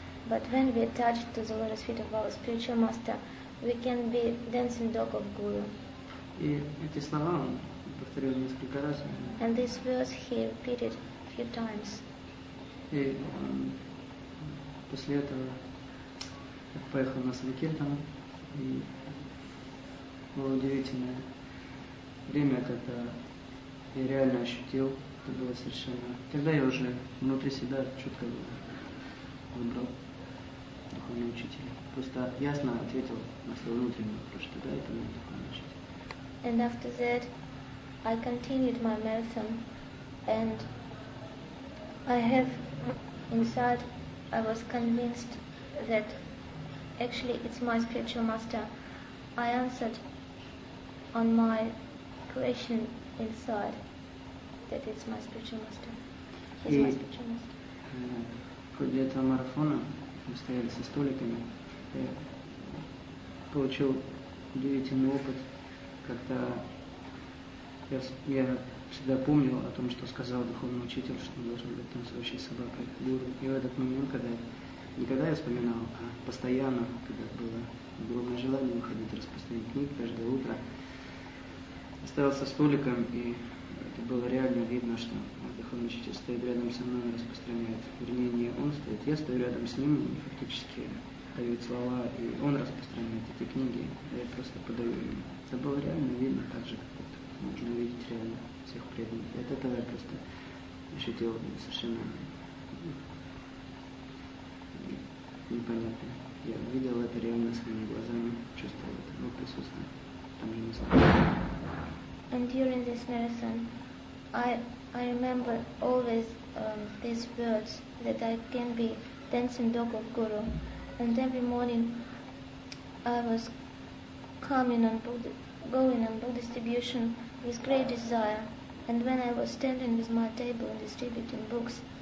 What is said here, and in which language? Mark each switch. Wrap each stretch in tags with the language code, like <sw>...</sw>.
<en>But when we attach to the lotus feet of our spiritual master, we can be dancing dog of Guru.</en> <ru>И эти слова он повторил несколько раз.</ru> <en>And this verse he repeated a few times.</en> <ru>И после этого я поехал на санкиртан. И было удивительное время, когда я реально ощутил, это было совершенно... Тогда я уже внутри себя четко выбрал духовного учителя. Просто ясно ответил на свою внутреннюю вопрос, что да, это мой духовный учитель.</ru> <en>And after that, I continued my marathon, and I have inside, I was convinced that actually it's my spiritual master. I answered on my question inside that it's my spiritual master. He's my spiritual master.</en> <ru>После этого марафона мы стояли со столиками, я получил удивительный опыт. Когда я всегда помнил о том, что сказал духовный учитель, что он должен быть танцующей собакой гуру. И в этот момент, когда не когда я вспоминал, а постоянно, когда было огромное желание выходить распространять книг каждое утро, оставался столиком, и это было реально видно, что духовный учитель стоит рядом со мной и распространяет. Вернее, не он стоит, я стою рядом с ним и фактически дает слова, и он распространяет эти книги, а я просто подаю ему. Это было реально видно так же, как вот можно увидеть реально всех преданных. И от этого я просто ощутил совершенно непонятно. Я видел это реально своими глазами, чувствовал это, но присутствие там же не знаю.</ru> <en>And during this marathon, I remember always these words, that I can be dancing dog of Guru. And every morning I was coming on Buddha, going on book distribution with great desire, and when I was standing with my table and distributing books,</en>